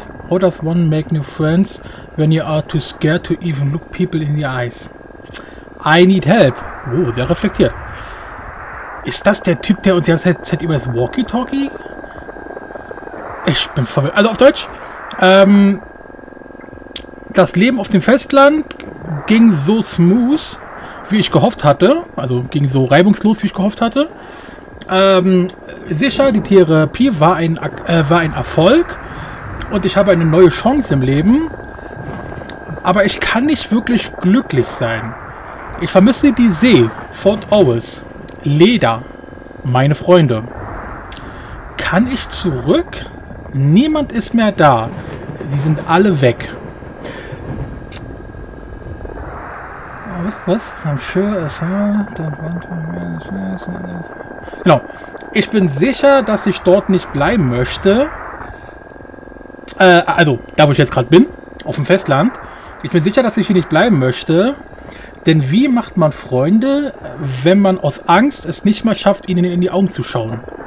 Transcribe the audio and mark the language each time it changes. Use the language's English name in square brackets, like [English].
[English] How does one make new friends when you are too scared to even look people in the eyes? I need help. [German] Oh, der reflektiert. Ist das der Typ, der uns die ganze Zeit über das Walkie-Talkie? Ich bin verwirrt. Also auf Deutsch. Das Leben auf dem Festland ging so smooth, wie ich gehofft hatte. Also ging so reibungslos, wie ich gehofft hatte. Sicher, die Therapie war ein Erfolg. Und ich habe eine neue Chance im Leben. Aber ich kann nicht wirklich glücklich sein. Ich vermisse die See, Fort Owls, Leder, meine Freunde. Kann ich zurück? Niemand ist mehr da. Sie sind alle weg. Was? [English] I'm sure as hell don't want to remain. [German] Genau. Ich bin sicher, dass ich dort nicht bleiben möchte. Also, da wo ich jetzt gerade bin, auf dem Festland. Ich bin sicher, dass ich hier nicht bleiben möchte. Denn wie macht man Freunde, wenn man aus Angst es nicht mal schafft, ihnen in die Augen zu schauen?